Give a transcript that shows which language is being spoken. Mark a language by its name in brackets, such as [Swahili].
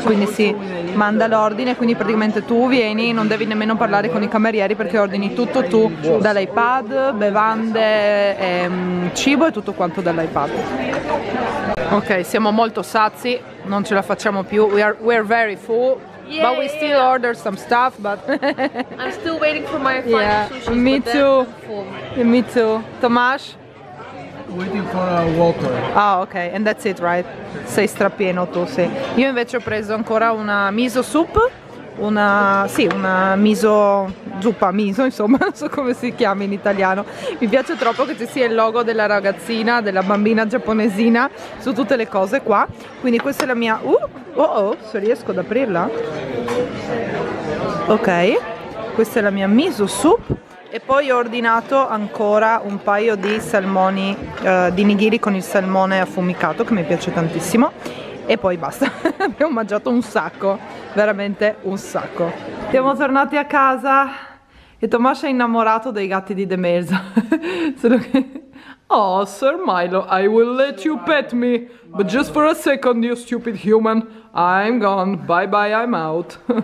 [Italian] Quindi si manda l'ordine, quindi praticamente tu vieni, non devi nemmeno parlare con i camerieri perché ordini tutto tu dall'iPad, bevande, cibo e tutto quanto dall'iPad. Ok, siamo molto sazi, non ce la facciamo più. [English] We're very full. Yeah, but we still order some stuff, but I'm still waiting for my final sushi. Me too. Yeah, me too. Tomas? Waiting for water. Ah, okay. And that's it, right? [Italian] Sei strapieno tu, sì. Io invece ho preso ancora una miso soup. una miso zuppa, insomma, non so come si chiama in italiano. Mi piace troppo che ci sia il logo della ragazzina, della bambina giapponesina su tutte le cose qua. Quindi questa è la mia se riesco ad aprirla. Ok, questa è la mia miso soup. E poi ho ordinato ancora un paio di salmoni, di nigiri con il salmone affumicato, che mi piace tantissimo. E poi basta, abbiamo mangiato un sacco, veramente un sacco. Siamo tornati a casa e Tomas è innamorato dei gatti di Demelza. Solo che... [English] Oh, Sir Milo, I will let you pet me, but just for a second, you stupid human, I'm gone, bye bye, I'm out.